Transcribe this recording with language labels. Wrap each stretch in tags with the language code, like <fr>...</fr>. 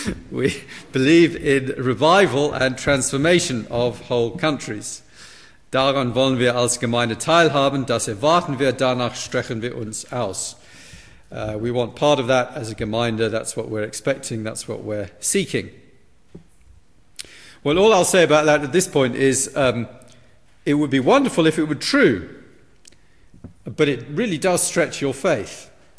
<en>We believe in revival and transformation of whole countries.</en> <de>Daran wollen wir als Gemeinde teilhaben, das erwarten wir, danach strecken wir uns aus.</de> <en>We want part of that as a Gemeinde, that's what we're expecting, that's what we're seeking. Well, all I'll say about that at this point is it would be wonderful if it were true, but it really does stretch your faith.</en>